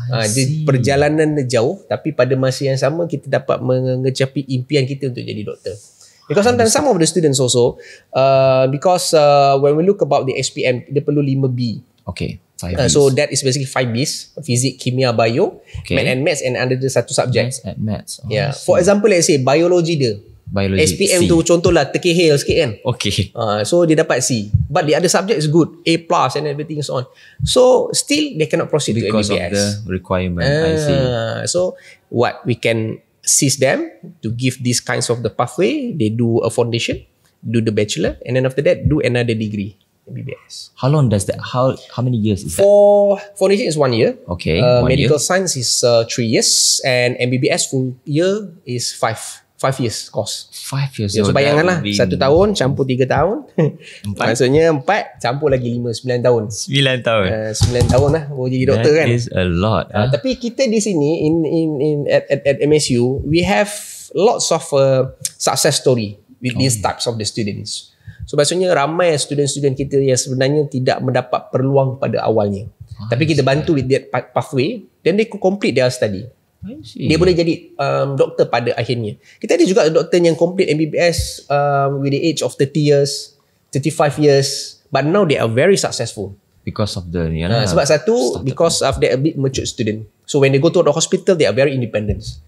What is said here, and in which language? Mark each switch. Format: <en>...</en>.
<ms>Jadi perjalanan jauh, tapi pada masa yang sama kita dapat mengecapi impian kita untuk jadi doktor.</ms> <en>Because sometimes some of the students also, because when we look about the SPM,</en> <ms>dia perlu</ms> <en>5B. Okay, 5B. So that is basically 5Bs, physics, kimia, bio, math and maths, and under the satu subject. Maths. Oh, yeah. For example, let's say biology dia. Biology,</en> <ms>SPM C. Tu contohlah terkehil sikit kan.</ms> <en>Okay. So</en> <ms>dia dapat</ms> <en>C. But the other subject is good. A plus and everything is on. So still they cannot proceed because to MBBS. Because of the requirement, I see. So what we can assist them to give these kinds of the pathway, they do a foundation, do the bachelor, and then after that, do another degree, MBBS. How long does that, how many years is for, that? For foundation is 1 year. Okay, medical year. Science is 3 years, and MBBS full year is 5 years course. 5 years.</en> <ms>So bayanganlah, 1 tahun campur 3 tahun. Maksudnya 4 campur lagi 5, 9 tahun. 9 tahun. 9 tahun lah baru jadi doktor kan.</ms> <en>That is a lot.</en> <ms>Tapi kita di sini</ms> <en>at MSU, we have lots of success story with these types of the students.</en> <ms>So maksudnya ramai student kita yang sebenarnya tidak mendapat peluang pada awalnya. Tapi kita bantu</ms> <en>with that pathway, then they could complete their study.</en> <ms>Dia boleh jadi doktor pada akhirnya. Kita ada juga doktor yang</ms> <en>complete MBBS with the age of 30 years, 35 years. But now they are very successful. Because of the...</en> <ms>sebab satu,</ms> <en>because of they're a bit mature student. So when they go to the hospital, they are very independent.</en>